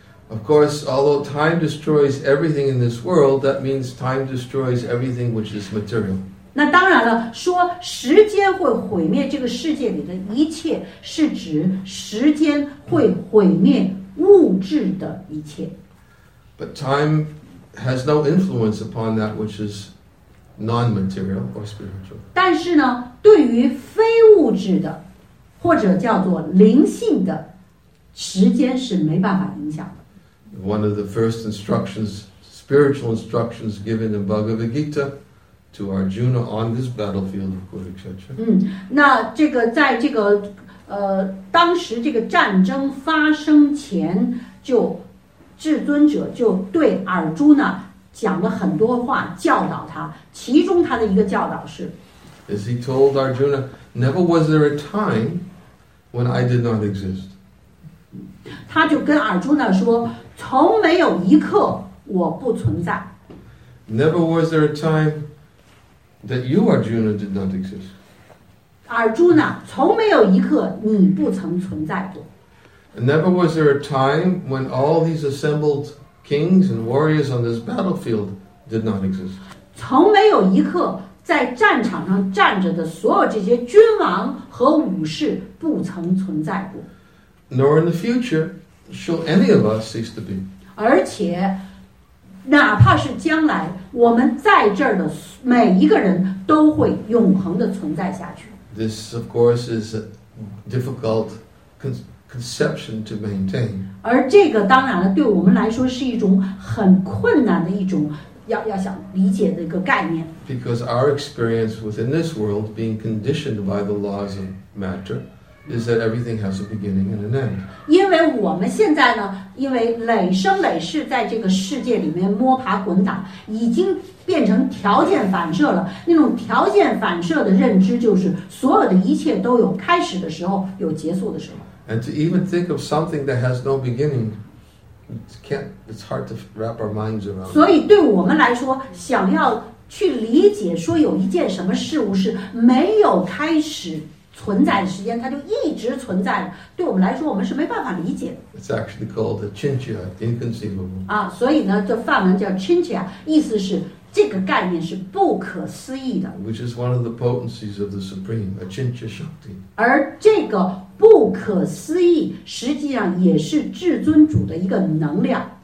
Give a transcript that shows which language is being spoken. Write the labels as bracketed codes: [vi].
[en] Of course, although time destroys everything in this world, that means time destroys everything which is material. [zh] 那当然了，说时间会毁灭这个世界里的一切，是指时间会毁灭物质的一切。 [en] But time has no influence upon that which is non-material or spiritual. [zh] 但是呢，对于非物质的，或者叫做灵性的，时间是没办法影响的。 [en] One of the first instructions, spiritual instructions given in Bhagavad Gita. To Arjuna on this battlefield of Kurukshetra. [zh] 那这个在这个当时这个战争发生前，就至尊者就对 Arjuna 讲了很多话教导他，其中他的一个教导是 [en] ，As he told Arjuna, never was there a time when I did not exist. [zh] 他就跟 Arjuna 说，从没有一刻我不存在。 [en] Never was there a time that you, Arjuna, did not exist. [zh] Arjuna, 从没有一刻你不曾存在过。 [en] Never was there a time when all these assembled kings and warriors on this battlefield did not exist. [zh] 从没有一刻在战场上站着的所有这些君王和武士不曾存在过。 [en] Nor in the future shall any of us cease to be. [zh] 而且哪怕是将来我们在这儿的每一个人都会永恒的存在下去。 [en] This, of course, is a difficult conception to maintain. [zh] 而这个当然了，对我们来说是一种很困难的一种要想理解的一个概念。 [en] Because our experience within this world, being conditioned by the laws of matter, is that everything has a beginning and an end. [zh] 因为我们现在呢，因为累生累世在这个世界里面摸爬滚打，已经变成条件反射了。那种条件反射的认知就是，所有的一切都有开始的时候，有结束的时候。 [en] And to even think of something that has no beginning, it's hard to wrap our minds around. [zh] 所以对我们来说，想要去理解说有一件什么事物是没有开始存在的时间，它就一直存在了，对我们来说，我们是没办法理解的。 [en] It's actually called a chincha, inconceivable. [zh] 啊，所以呢，这梵文叫 chincha, 意思是这个概念是不可思议的。 [en] Which is one of the potencies of the supreme, a chincha shakti. [zh] 而这个不可思议实际上也是至尊主的一个能量。